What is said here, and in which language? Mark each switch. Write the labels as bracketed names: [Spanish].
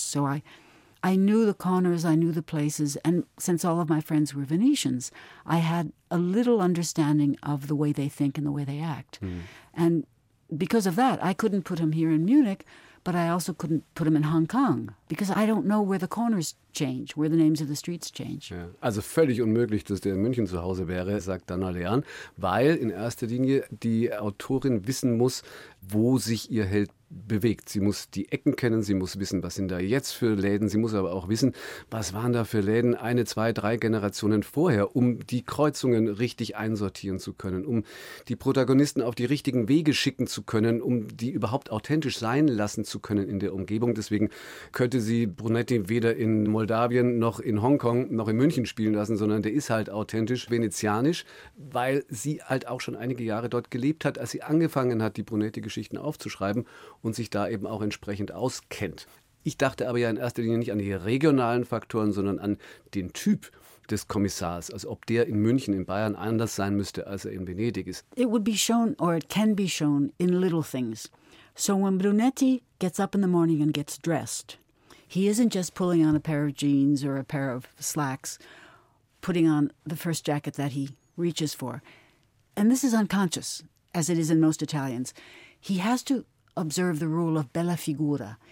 [English] So I knew the corners, I knew the places, and since all of my friends were Venetians, I had a little understanding of the way they think and the way they act. Mm. And because of that, I couldn't put him here in Munich, but I also couldn't put him in Hong Kong, because I don't know where the corners change, where the names of the streets change. [German] Ja, also völlig unmöglich, dass der in München zu Hause wäre, sagt Donna Leon, weil in erster Linie die Autorin wissen muss, wo sich ihr Held bewegt. Sie muss die Ecken kennen, sie muss wissen, was sind da jetzt für Läden. Sie muss aber auch wissen, was waren da für Läden eine, zwei, drei Generationen vorher, um die Kreuzungen richtig einsortieren zu können, um die Protagonisten auf die richtigen Wege schicken zu können, um die überhaupt authentisch sein lassen zu zu können in der Umgebung. Deswegen könnte sie Brunetti weder in Moldawien noch in Hongkong noch in München spielen lassen, sondern der ist halt authentisch venezianisch, weil sie halt auch schon einige Jahre dort gelebt hat, als sie angefangen hat, die Brunetti-Geschichten aufzuschreiben und sich da eben auch entsprechend auskennt. Ich dachte aber ja in erster Linie nicht an die regionalen Faktoren, sondern an den Typ des Kommissars, also ob der in München, in Bayern anders sein müsste, als er in Venedig ist. [English] It would be shown, or it can be shown, in little things. So when Brunetti gets up in the morning and gets dressed, he isn't just pulling on a pair of jeans or a pair of slacks, putting on the first jacket that he reaches for. And this is unconscious, as it is in most Italians. He has to observe the rule of bella figura.